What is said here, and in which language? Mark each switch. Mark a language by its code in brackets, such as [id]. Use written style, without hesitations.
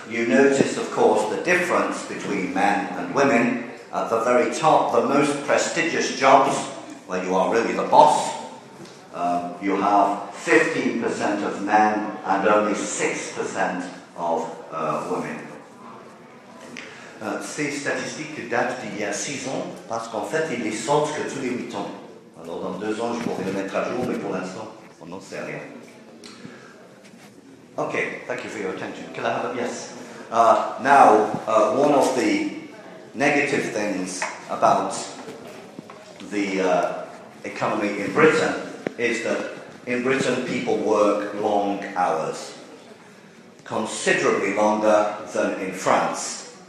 [en] You notice, of course, the difference between men and women. At the very top, the most prestigious jobs, where you are really the boss, you have 15% of men and only 6% of women. [fr] Ces statistiques datent d'il y a 6 ans parce qu'en fait, ils les sortent que tous les 8 ans. Alors, dans 2 ans, je pourrais les mettre à jour, mais pour l'instant, on n'en sait rien. [en] OK, thank you for your attention. Can I have a yes? One of the negative things about the economy in Britain is that in Britain, people work long hours, considerably longer than in France.